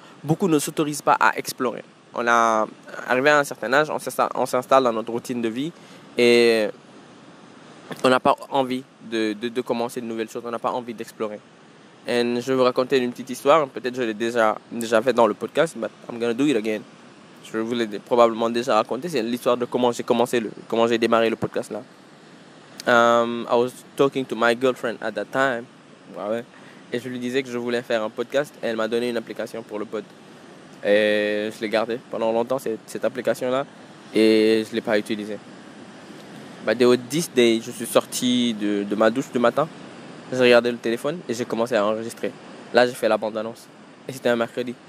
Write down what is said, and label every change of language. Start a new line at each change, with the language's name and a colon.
French: Beaucoup ne s'autorisent pas à explorer. On a arrivé à un certain âge, on s'installe dans notre routine de vie et on n'a pas envie de commencer de nouvelles choses, on n'a pas envie d'explorer. Et je vais vous raconter une petite histoire, peut-être je l'ai déjà fait dans le podcast,
English: but I'm gonna do it again.
French: Je vous l'ai probablement déjà raconté, c'est l'histoire de comment j'ai démarré le podcast là.
English: I was talking to my girlfriend at that time.
French: Ouais. Et je lui disais que je voulais faire un podcast. Et elle m'a donné une application pour le pod. Et je l'ai gardée pendant longtemps, cette application-là. Et je ne l'ai pas utilisée.
English: But the 10 day,
French: je suis sorti de ma douche du matin. J'ai regardé le téléphone et j'ai commencé à enregistrer. Là, j'ai fait la bande-annonce. Et c'était un mercredi.